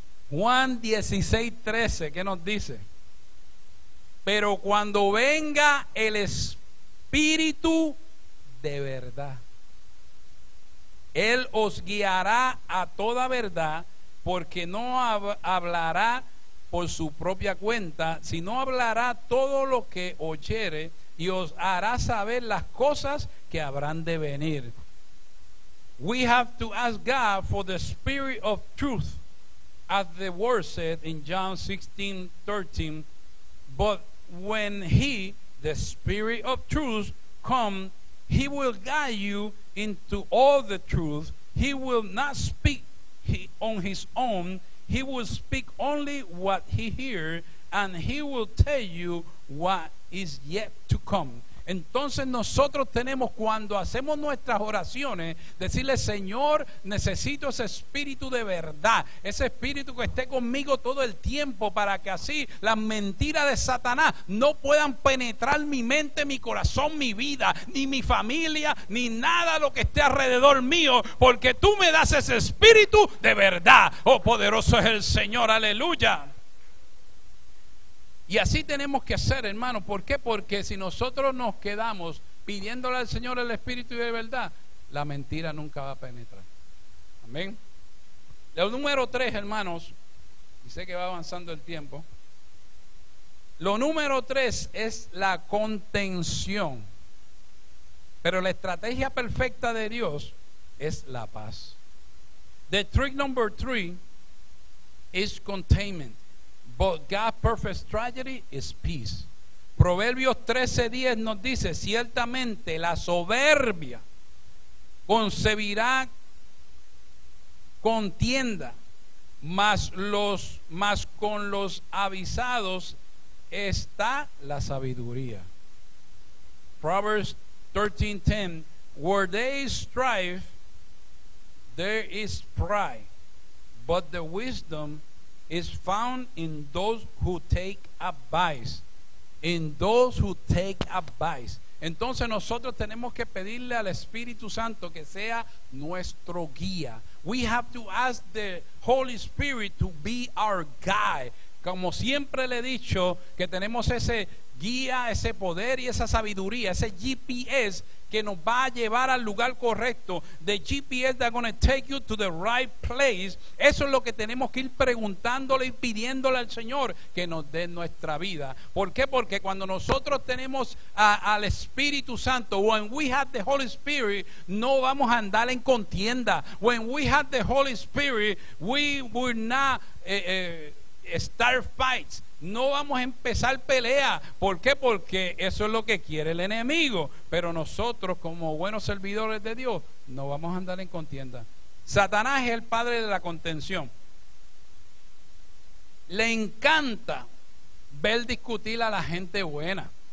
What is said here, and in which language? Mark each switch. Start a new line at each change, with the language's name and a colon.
Spanish: Juan 16:13, ¿qué nos dice? Pero cuando venga el espíritu de verdad, Él os guiará a toda verdad, porque no hablará por su propia cuenta, sino hablará todo lo que oyere y os hará saber las cosas que habrán de venir.
English: We have to ask God for the spirit of truth, as the word said in John 16:13. But when He, the spirit of truth, come, He will guide you into all the truth. He will not speak on his own. He will speak only what he hears, and he will tell you what is yet to come.
Spanish: Entonces nosotros tenemos, cuando hacemos nuestras oraciones, decirle, Señor, necesito ese espíritu de verdad, ese espíritu que esté conmigo todo el tiempo, para que así las mentiras de Satanás no puedan penetrar mi mente, mi corazón, mi vida, ni mi familia, ni nada lo que esté alrededor mío, porque tú me das ese espíritu de verdad. Oh, poderoso es el Señor. Aleluya. Y así tenemos que hacer, hermano. ¿Por qué? Porque si nosotros nos quedamos pidiéndole al Señor el espíritu de verdad, la mentira nunca va a penetrar. Amén. El número tres, hermanos, y sé que va avanzando el tiempo. Lo número tres es la contención. Pero la estrategia perfecta de Dios es la paz.
English: The trick number three is containment, but God's perfect strategy is peace.
Spanish: Proverbios 13:10 nos dice: ciertamente la soberbia concebirá contienda, mas con los avisados está la sabiduría.
English: Proverbs 13:10, where there is strife, there is pride, but the wisdom is found in those who take advice. In those who take advice.
Spanish: Entonces nosotros tenemos que pedirle al Espíritu Santo que sea nuestro guía.
English: We have to ask the Holy Spirit to be our guide.
Spanish: Como siempre le he dicho, que tenemos ese guía, ese poder y esa sabiduría, ese GPS que nos va a llevar al lugar correcto.
English: The GPS that's going to take you to the right place.
Spanish: Eso es lo que tenemos que ir preguntándole y pidiéndole al Señor que nos dé nuestra vida. ¿Por qué? Porque cuando nosotros tenemos al Espíritu Santo,
English: when we have the Holy Spirit,
Spanish: no vamos a andar en contienda.
English: When we have the Holy Spirit, we will not start fights.
Spanish: No vamos a empezar pelea. ¿Por qué? Porque eso es lo que quiere el enemigo. Pero nosotros, como buenos servidores de Dios, no vamos a andar en contienda. Satanás es el padre de la contención. Le encanta ver discutir a la gente buena.